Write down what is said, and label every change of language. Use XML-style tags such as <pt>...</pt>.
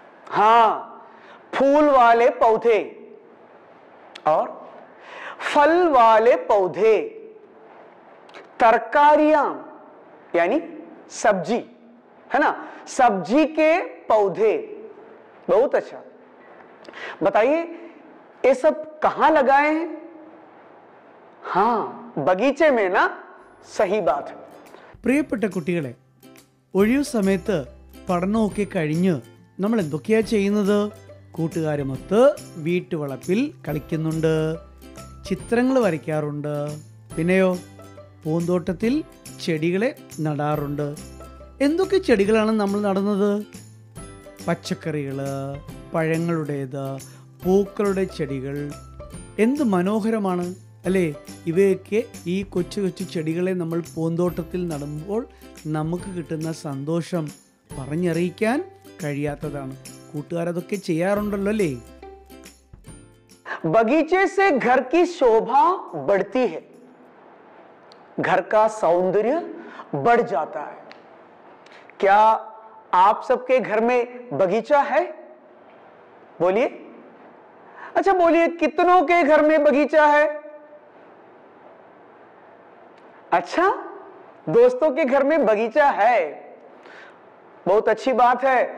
<hi>हाँ, फूल वाले पौधे और फल वाले पौधे, तरकारियां यानी सब्जी है ना, सब्जी के पौधे. बहुत अच्छा, बताइए ये सब कहां लगाए हैं? हां, बगीचे में ना. सही बात.</hi> <ml>പ്രിയപ്പെട്ട കുട്ടികളെ, ഒഴിവു സമയത്ത് പഠനമൊക്കെ കഴിഞ്ഞ് നമ്മൾ എന്തൊക്കെയാ ചെയ്യുന്നത്? കൂട്ടുകാരുമൊത്ത് വീട്ടുവളപ്പിൽ കളിക്കുന്നുണ്ട്, ചിത്രങ്ങൾ വരയ്ക്കാറുണ്ട്, പിന്നെയോ പൂന്തോട്ടത്തിൽ ചെടികളെ നടാറുണ്ട്. എന്തൊക്കെ ചെടികളാണ് നമ്മൾ നടുന്നത്? പച്ചക്കറികൾ, പഴങ്ങളുടേത്, പൂക്കളുടെ ചെടികൾ. എന്ത് മനോഹരമാണ് അല്ലേ, ഇവയൊക്കെ ഈ കൊച്ചു കൊച്ചു ചെടികളെ നമ്മൾ പൂന്തോട്ടത്തിൽ നടുമ്പോൾ നമുക്ക് കിട്ടുന്ന സന്തോഷം പറഞ്ഞറിയിക്കാൻ കഴിയാത്തതാണ്. കൂട്ടുകാരതൊക്കെ ചെയ്യാറുണ്ടല്ലോ അല്ലേ.</ml> <hi>ബഗീച്ചേ സേ ഘർ കി ശോഭ ബഡ്തി ഹൈ, ഘർ കാ സൗന്ദര്യ ബഡ് ജാതാ ഹൈ. ക്യാ आप सबके घर में बगीचा है? बोलिए. अच्छा, बोलिए कितनों के घर में बगीचा है? अच्छा, दोस्तों के घर में बगीचा है, बहुत अच्छी बात है.</hi>